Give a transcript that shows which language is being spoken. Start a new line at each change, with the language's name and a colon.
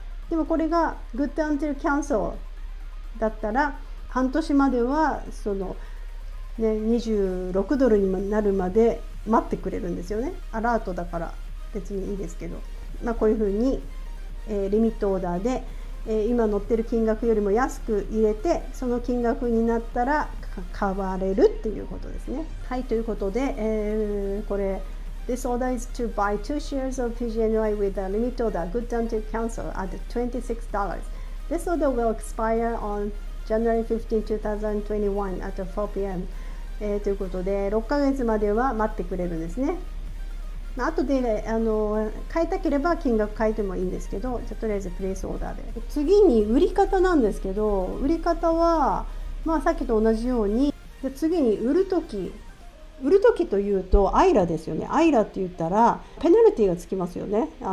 Japanese: でもこれがグッドアンティルキャンセルだったら半年まではそのね、26ドルになるまで待ってくれるんですよね。アラートだから別にいいですけど、まあ、こういうふうに、リミットオーダーで、今乗ってる金額よりも安く入れてその金額になったら買われるっていうことですね。はい、ということで、これ
English: This order is to buy two shares of PGNY with a limit order good down to cancel at $26. This order will expire on January 15, 2021 at 4 p.m.
Japanese: ということで6ヶ月までは待ってくれるんですね。あとで変えたければ金額変えてもいいんですけど、じゃとりあえずプレイスオーダーで。次に売り方なんですけど、売り方は、まあ、さっきと同じように、で次に売るとき、売るときというとアイラですよね。アイラって言ったらペナルティがつきますよね。